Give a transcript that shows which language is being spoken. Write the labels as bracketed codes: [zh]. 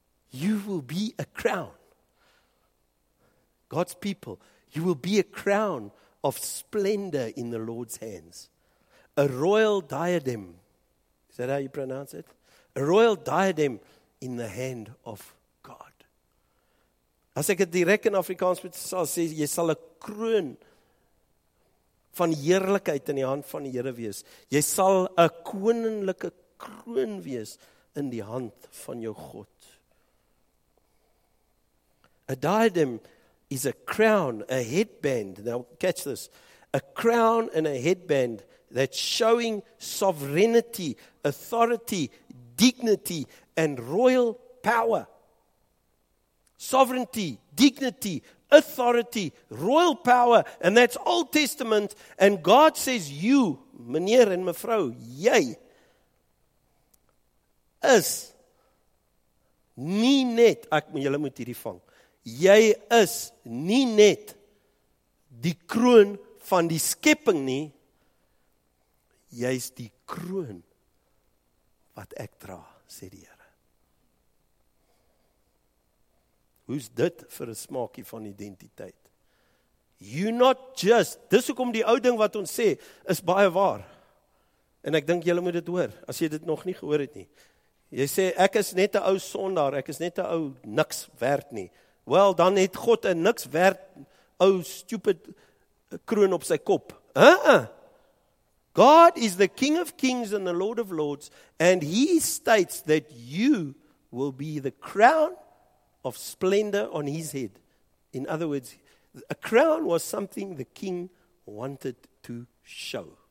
[en] You will be a crown. God's people, you will be a crown of splendor in the Lord's hands. A royal diadem. Is that how you pronounce it? A royal diadem in the hand of God. [af] As ek het direk in Afrikaans moet sê, jy sal 'n kroon van heerlikheid in die hand van die Here wees. Jy sal 'n koninklike kroon wees in die hand van jou God. [en] A diadem is a crown, a headband. Now catch this. A crown and a headband that's showing sovereignty, authority, dignity, and royal power. Sovereignty, dignity, authority, royal power, and that's Old Testament. And God says, [af] you, meneer en mevrou, jy, is nie net, ek moet julle moet hierdie vang, jy is nie net die kroon van die skepping nie, jy is die kroon wat ek dra, sê die Here. Hoe's dit vir 'n smaakie van identiteit? [en] You're not just, [af] dis hoekom die ou ding wat ons sê, is baie waar. En ek dink julle moet dit hoor, as jy dit nog nie gehoor het nie. Jy sê, ek is net 'n ou sondaar, ek is net 'n ou niks werd nie. Wel, dan het God 'n niks werd ou stupid kroon op sy kop. [en] God is the King of Kings and the Lord of Lords, and He states that you will be the crown of splendor on His head. In other words, a crown was something the king wanted to show.